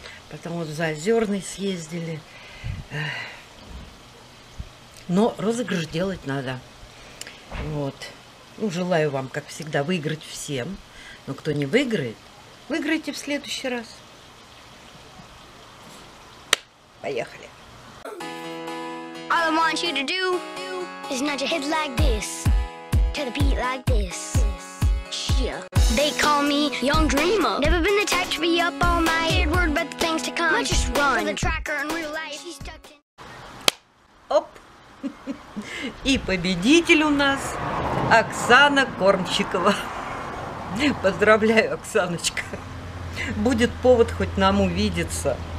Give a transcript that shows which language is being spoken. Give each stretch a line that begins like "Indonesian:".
Russian: Потом вот в Заозерный съездили. Но розыгрыш делать надо. Вот. Ну, желаю вам, как всегда, выиграть всем. Но кто не выиграет, выиграйте в следующий раз. Поехали.
English: All I want you to do is nudge your head like this to the beat like this. Yeah. They call me Young Dreamer. Never been the type to be up all night. Heard word about the things to come. I just run for the tracker in real life. She's stuck in... Оп.
Russian: И победитель у нас Оксана Кормчикова. Поздравляю, Оксаночка. Будет повод хоть нам увидеться.